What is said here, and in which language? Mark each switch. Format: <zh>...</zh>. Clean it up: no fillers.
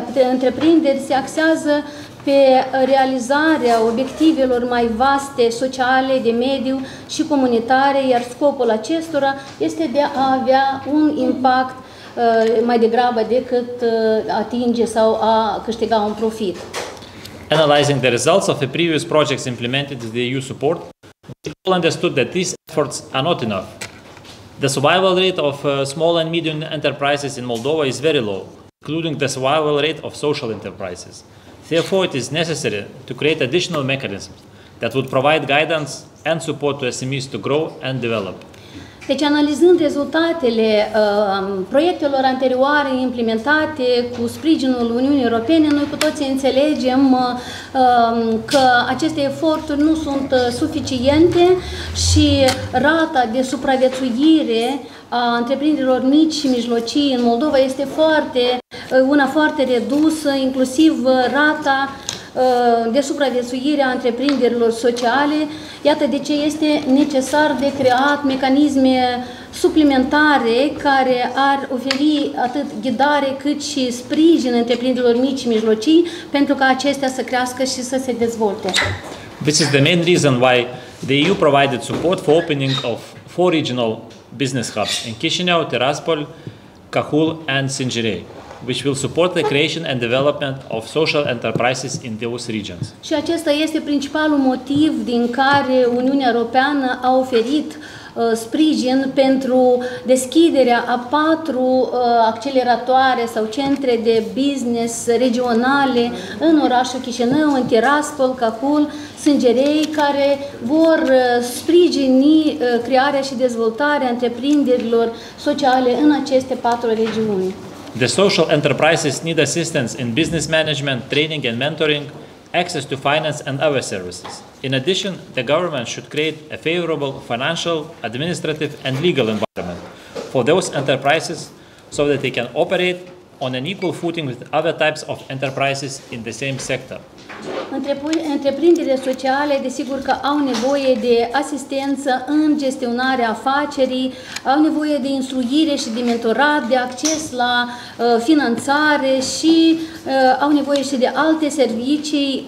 <ro>întreprinderi se axează pe realizarea obiectivelor mai vaste, sociale, de mediu și comunitare, iar scopul acestora este de a avea un impact mai degrabă decât atinge sau a câștiga un profit.</ro> <en>Analyzing the results of the previous projects implemented with the EU support, we all understood that these efforts are not enough. The survival rate of small and medium enterprises in Moldova is very low, including the survival rate of social enterprises. Therefore, it is necessary to create additional mechanisms that would provide guidance and support to SMEs to grow and develop.</en> <ro>Deci, analizând rezultatele proiectelor anterioare implementate cu sprijinul Uniunii Europene, noi cu toții înțelegem că aceste eforturi nu sunt suficiente și rata de supraviețuire a întreprinderilor mici și mijlocii în Moldova este una foarte redusă, inclusiv rata de supraviețuire a întreprinderilor sociale. Iată de ce este necesar de creat mecanisme suplimentare care ar oferi atât ghidare cât și sprijin întreprinderilor mici și mijlocii pentru ca acestea să crească și să se dezvolte.</ro> <en>This is the main reason why the EU provided support for opening of 4 regional business hubs in Chișinău, Tiraspol, Cahul and Sinjerei, which will support the creation and development of social enterprises in those regions.</en> <ro>Și acesta este principalul motiv din care Uniunea Europeană a oferit sprijin pentru deschiderea a 4 acceleratoare sau centre de business regionale în orașul Chișinău, în Tiraspol, Cahul, Sângerei, care vor sprijini crearea și dezvoltarea întreprinderilor sociale în aceste 4 regiuni.</ro> <en>The social enterprises need assistance in business management, training and mentoring, access to finance and other services. In addition, the government should create a favorable financial, administrative and legal environment for those enterprises so that they can operate on an equal footing with other types of enterprises in the same sector.</en> <ro>Întreprinderile sociale, desigur că au nevoie de asistență în gestionarea afacerii, au nevoie de instruire și de mentorat, de acces la finanțare și au nevoie și de alte servicii.</ro>